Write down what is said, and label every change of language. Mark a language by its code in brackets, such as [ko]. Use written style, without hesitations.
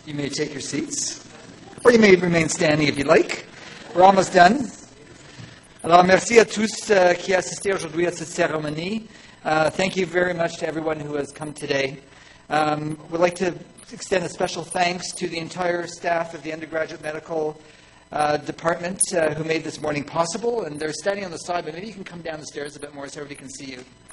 [en] Take your seats, or you may remain standing if you like. We're almost done. [fr] Alors, merci à tous qui assistent aujourd'hui à cette cérémonie. [en] Thank you very much to everyone who has come today. We'd like to extend a special thanks to the entire staff of the undergraduate medical department who made this morning possible, and they're standing on the side, but maybe you can come down the stairs a bit more so everybody can see you.